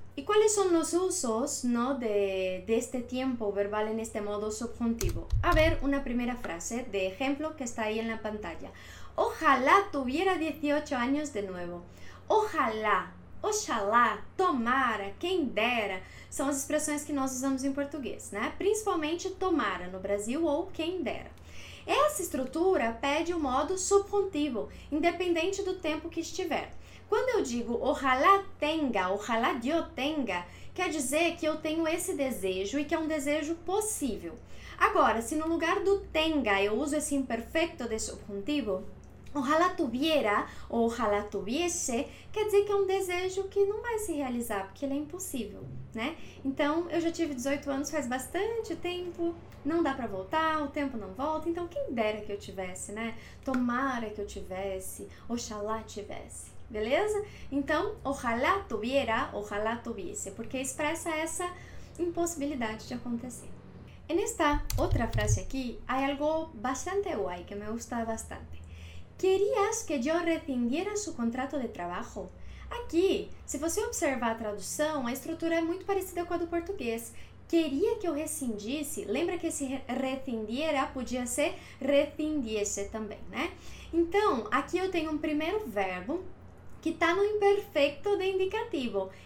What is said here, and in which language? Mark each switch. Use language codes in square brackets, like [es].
[es] ¿Y cuáles son los usos, ¿no?, de este tiempo verbal en este modo subjuntivo? A ver, una primera frase de ejemplo que está ahí en la pantalla. Ojalá tuviera 18 años de nuevo. [pt] Ojalá, oxalá, tomara, quem dera. São as expressões que nós usamos em português, né? Principalmente tomara no Brasil ou quem dera. Essa estrutura pede o modo subjuntivo, independente do tempo que estiver. Quando eu digo [es] ojalá tenga, ojalá yo tenga, [pt] quer dizer que eu tenho esse desejo e que é um desejo possível. Agora, se no lugar do tenga eu uso esse imperfecto de subjuntivo, [es] ojalá tuviera [pt] ou [es] ojalá tuviese, [pt] quer dizer que é um desejo que não vai se realizar, porque ele é impossível, né? Então, eu já tive 18 anos faz bastante tempo, não dá pra voltar, o tempo não volta, então quem dera que eu tivesse, né? Tomara que eu tivesse, oxalá tivesse. Beleza? Então, [es] ojalá tuviera, ojalá tuviese, [pt] porque expressa essa impossibilidade de acontecer. [es] En esta outra frase aqui, há algo bastante guay que me gusta bastante. ¿Querías que yo rescindiera su contrato de trabajo? [pt] Aqui, se você observar a tradução, a estrutura é muito parecida com a do português. Queria que eu rescindisse, lembra que esse rescindiera podia ser rescindiese também, né? Então, aqui eu tenho um primeiro verbo, que está no imperfecto de indicativo.